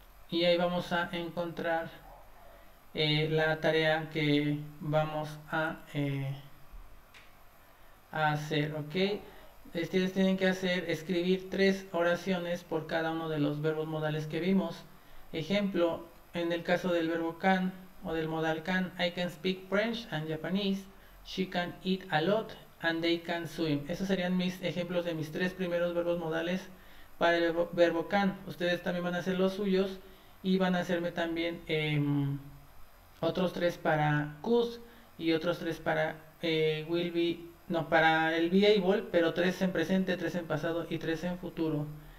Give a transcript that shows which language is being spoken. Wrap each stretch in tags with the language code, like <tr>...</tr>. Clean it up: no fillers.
<es>Y ahí vamos a encontrar la tarea que vamos a hacer, ¿ok? Ustedes tienen que hacer escribir tres oraciones por cada uno de los verbos modales que vimos. Ejemplo, en el caso del verbo can o del modal can,</es> <en>I can speak French and Japanese, she can eat a lot and they can swim.</en> <es>Esos serían mis ejemplos de mis tres primeros verbos modales para el verbo can. Ustedes también van a hacer los suyos y van a hacerme también otros tres para could y otros tres para will be. No, para el be able, pero tres en presente, tres en pasado y tres en futuro.</es>